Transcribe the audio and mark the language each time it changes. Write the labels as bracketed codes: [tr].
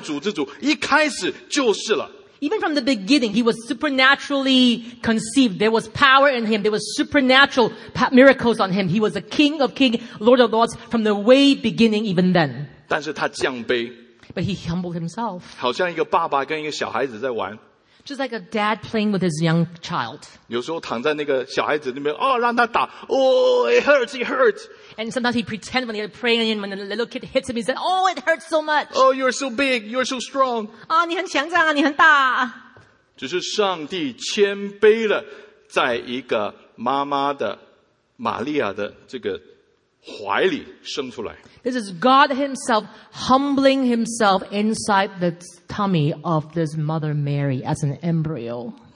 [zh] 一开始就是神级的，一开始就从圣灵而生的，一开始是没有罪恶的，一开始是万王之王、万主之主，一开始就是了。 [en] Even from the beginning, he was supernaturally conceived. There was power in him. There was supernatural miracles on him. He was a King of Kings, Lord of Lords from the way beginning, even then. [zh] 但是他降卑, [en] but he humbled himself. [zh] 好像一个爸爸跟一个小孩子在玩。 [en] Just like a dad playing with his young child. [zh] 有时候躺在那个小孩子那边，哦，让他打，哦， [en] it hurts. And sometimes he pretends when he's praying, and when the little kid hits him, he says, "Oh, it hurts so much." Oh, you're so big, you're so strong. [zh] 啊，你很强壮啊，你很大。只是上帝谦卑了，在一个妈妈的玛利亚的这个怀里生出来。 [en] This is God Himself humbling Himself inside the tummy of this Mother Mary as an embryo.